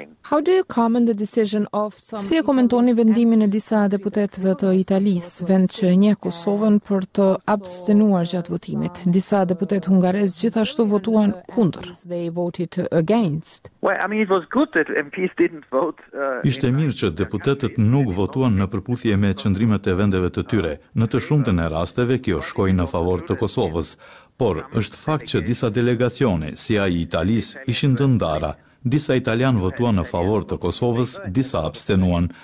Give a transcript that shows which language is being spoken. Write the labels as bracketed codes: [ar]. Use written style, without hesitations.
[en] How do you comment the decision of some? [sq] Si e komentoni vendimin e disa deputetëve të Italisë, vend që njeh Kosovën, për të abstenuar gjatë votimit? Disa deputet hungarez gjithashtu votuan kundër. [en] They voted against. Well, I mean it was good that MPs didn't vote. [sq] Ishte mirë që deputetët nuk votuan në përputhje me qendrimet e vendeve të tyre. Në të shumtën e rasteve kjo shkoi në favor të Kosovës, por është fakt që disa delegacione, si ai i Italisë, ishin të ndara. Disa italian votuan në favor të Kosovës, disa abstenuan.